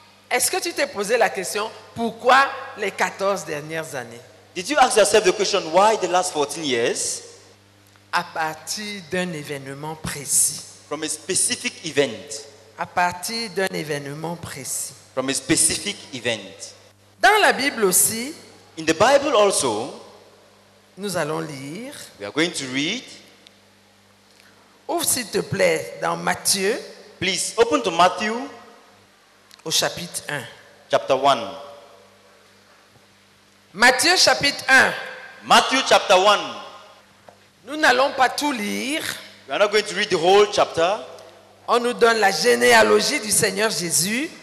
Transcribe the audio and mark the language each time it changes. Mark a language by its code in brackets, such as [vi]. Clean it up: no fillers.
[fr] Est-ce que tu t'es posé la question pourquoi les 14 dernières années? [en] Did you ask yourself the question why the last 14 years? [fr] À partir d'un événement précis. [en] From a specific event. [fr] À partir d'un événement précis. [en] From a specific event. [fr] Dans la Bible aussi. [en] In the Bible also. [fr] Nous allons lire. [en] We are going to read. [fr] Ouvre s'il te plaît dans Matthieu. [en] Please open to Matthew. [fr] Au chapitre 1. [en] Chapter 1. [fr] Matthieu chapitre 1. [en] Matthew chapter 1. [fr] Nous n'allons pas tout lire. [en] We are not going to read the whole chapter. [fr] On nous donne la généalogie du Seigneur Jésus.